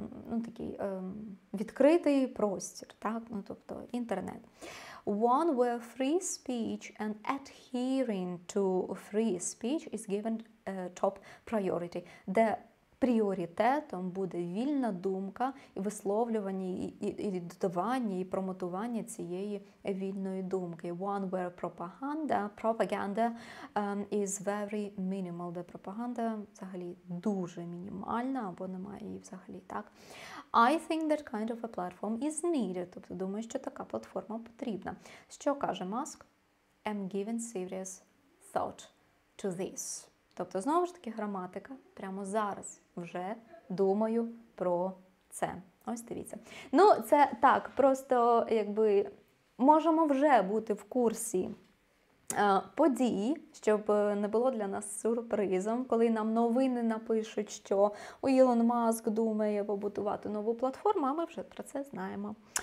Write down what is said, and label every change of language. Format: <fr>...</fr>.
<uk>Ну, такий відкритий простір, так? Ну, тобто інтернет.</uk> <en>One where free speech and adhering to free speech is given top priority,</en> <uk>де пріоритетом буде вільна думка і висловлювання, і додавання, і промотування цієї вільної думки.</uk> <en>One where propaganda is very minimal,</en> <uk>де пропаганда взагалі дуже мінімальна або немає її взагалі, так?</uk> <en>I think that kind of a platform is needed.</en> <uk>Тобто думаю, що така платформа потрібна. Що каже Маск?</uk> <en>I'm giving serious thought to this.</en> <uk>Тобто, знову ж таки, граматика прямо зараз вже думаю про це. Ось дивіться. Ну, це так, просто якби можемо вже бути в курсі подій, щоб не було для нас сюрпризом, коли нам новини напишуть, що Ілон Маск думає побудувати нову платформу, а ми вже про це знаємо.</uk>